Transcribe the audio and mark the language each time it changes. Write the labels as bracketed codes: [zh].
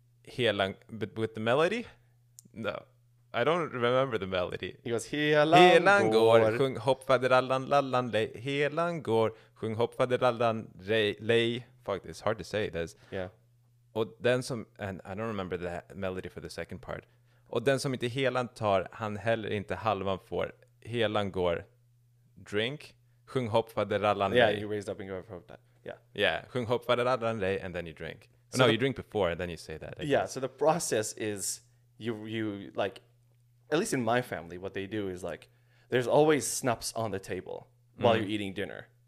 [en] Helan, but with the melody? No. I don't remember the melody. It goes, [sv] Helan går, sjung hoppfaderallan lallan lej. Helan går, sjung hoppfaderallan lej. [en] Fuck, it's hard to say. [sv] Och den som, [en] and I don't remember the melody for the second part. [sv] Och den som inte helan tar, han heller inte halvan får. Helan går, [en] drink, [sv] sjung hoppfaderallan lej. [en] Yeah, he raised up and got from that. Yeah, and then you drink. You drink before, and then you say that. Yeah, so the process is you like, at least in my family, what they do is like, there's always snaps on the table while you're eating dinner.